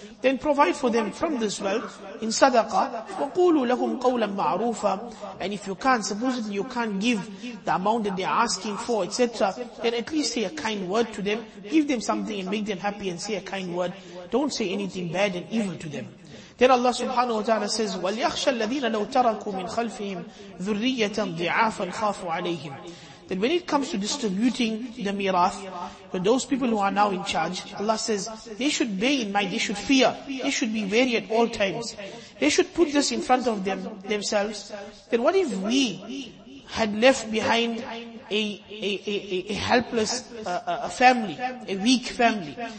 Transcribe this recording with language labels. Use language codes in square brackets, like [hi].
[en] Then provide for them from this wealth in sadaqah. [ar] وَقُولُوا لَهُمْ قَوْلًا مَعْرُوفًا. [en] And if you can't, supposedly you can't give the amount that they're asking for, etc., then at least say a kind word to them. Give them something and make them happy and say a kind word. Don't say anything bad and evil to them. Then Allah subhanahu wa ta'ala says, [ar] وَلْيَخْشَ الَّذِينَ لَوْ تَرَكُوا مِنْ خَلْفِهِمْ ذُرِّيَّةً ضِعَافًا خَافُوا عَلَيْهِمْ. [en] That when it comes to distributing the mirath, for those people who are now in charge, Allah says, they should bear in mind, they should fear, they should be wary at all times. They should put this in front of themselves. Then what if we had left behind a helpless family, a weak family?